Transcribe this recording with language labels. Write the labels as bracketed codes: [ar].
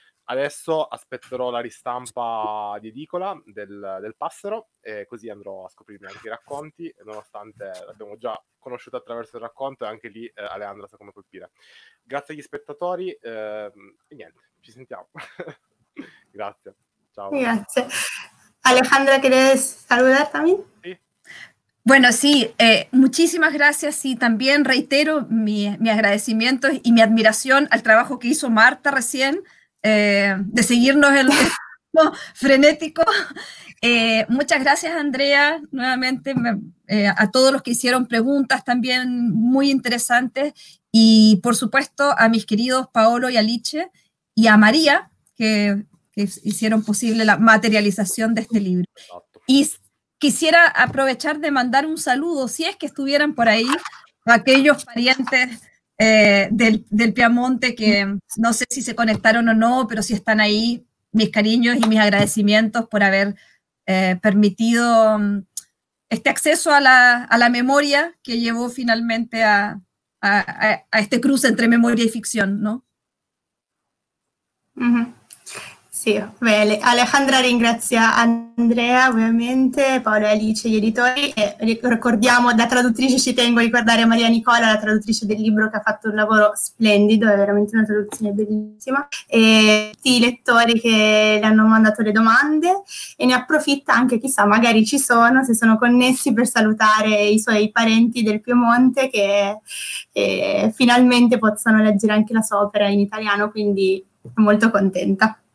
[it] Adesso aspetterò la ristampa di Edicola del Passero, e così andrò a scoprirmi anche i racconti, nonostante l'abbiamo già conosciuta attraverso il racconto, e anche lì Aleandra sa come colpire. Grazie agli spettatori, e niente, ci sentiamo. Grazie, ciao. Grazie. [es] Alejandra, ¿quieres saludar también? Sí. Bueno, sí, muchísimas gracias, y sí, también reitero mi agradecimiento y mi admiración al trabajo que hizo Marta recién, de seguirnos el ritmo frenético. Muchas gracias, Andrea, nuevamente a todos los que hicieron preguntas también muy interesantes, y por supuesto a mis queridos Paolo y Alice, y a María, que hicieron posible la materialización de este libro. Y quisiera aprovechar de mandar un saludo, si es que estuvieran por ahí, a aquellos parientes del Piamonte, que no sé si se conectaron o no, pero si están ahí, mis cariños y mis agradecimientos por haber permitido este acceso a la memoria que llevó finalmente a este cruce entre memoria y ficción, ¿no? [it] Uh-huh. Sì, bene. Alejandra ringrazia Andrea, ovviamente, Paolo e Alice, gli editori, e ricordiamo, da traduttrice ci tengo a ricordare Maria Nicola, la traduttrice del libro, che ha fatto un lavoro splendido, è veramente una traduzione bellissima, e tutti i lettori che le hanno mandato le domande, e ne approfitta anche, chissà, magari ci sono, se sono connessi, per salutare i suoi parenti del Piemonte, che finalmente possono leggere anche la sua opera in italiano, quindi sono molto contenta.